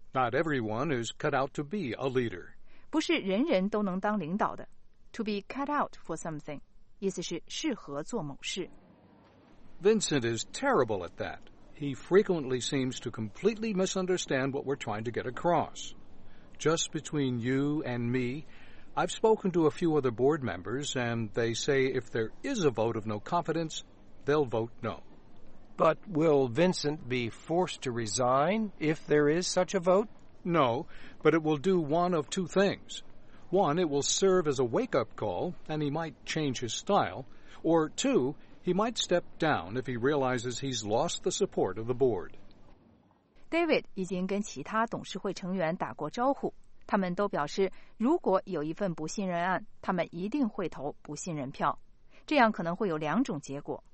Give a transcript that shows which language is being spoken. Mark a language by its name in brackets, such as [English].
[English] Not everyone is cut out to be a leader. [Chinese] 不是人人都能当领导的。 [English] To be cut out for something, [Chinese] 意思是适合做某事。 [English] Vincent is terrible at that. He frequently seems to completely misunderstand what we're trying to get across. Just between you and me, I've spoken to a few other board members, and they say if there is a vote of no confidence, they'll vote no. But will Vincent be forced to resign if there is such a vote? No, but it will do one of two things. One, it will serve as a wake-up call, and he might change his style. Or two, he might step down if he realizes he's lost the support of the board. [Chinese] David 已经跟其他董事会成员打过招呼。他们都表示，如果有一份不信任案，他们一定会投不信任票。这样可能会有两种结果。